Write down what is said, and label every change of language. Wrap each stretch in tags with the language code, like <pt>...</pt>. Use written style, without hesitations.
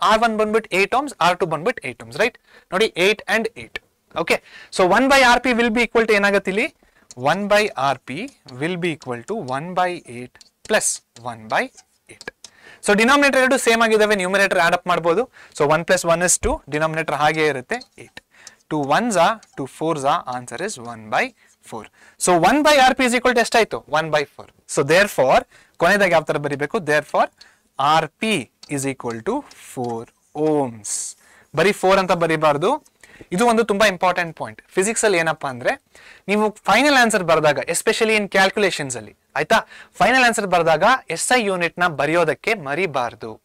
<kn>R1 ಬಂದ್ಬಿಟ್ಟು 8 Ohm's, R2 ಬಂದ್ಬಿಟ್ಟು 8 Ohm's. Right, ನೋಡಿ 8 and 8.</kn> <en>okay, so 1/RP will be equal to</en> <kn>ಏನಾಗುತ್ತೆ ಇಲ್ಲಿ?</kn> <en>1/RP will be equal to 1/8 plus 1/8.</en> <kn>So denominator ಎರಡು same ಆಗಿದ್ದಾವೆ, numerator add up ಮಾಡ್ಬೋದು. So 1 + 1 = 2, denominator ಹಾಗೆ ಇರುತ್ತೆ 8.</kn> <en>2 1s are 2 4s are, answer is 1/4. So 1/RP is equal to</en> <kn>ಎಷ್ಟು ಆಯ್ತು?</kn> <en>1/4. So therefore</en> <kn>ಕೊನೆದಾಗ ಯಾವ ತರ ಬರೀಬೇಕು?</kn> <en>Therefore RP is equal to 4 ohms.</en> <kn>ಬರೀ 4 ಅಂತ ಬರೀಬಾರ್ದು. ಇದು ಒಂದು ತುಂಬಾ ಇಂಪಾರ್ಟೆಂಟ್ ಪಾಯಿಂಟ್ ಫಿಸಿಕ್ಸ್ ಅಲ್ಲಿ. ಏನಪ್ಪ ಅಂದ್ರೆ, ನೀವು ಫೈನಲ್ ಆನ್ಸರ್ ಬರೆದಾಗ,</kn> <en>especially in calculations</en> <kn>ಅಲ್ಲಿ, ಆಯ್ತಾ, ಫೈನಲ್ ಆನ್ಸರ್ ಬರೆದಾಗ SI ಯೂನಿಟ್ ನ ಬರೆಯೋದಕ್ಕೆ ಮರಿಬಾರ್ದು.</kn>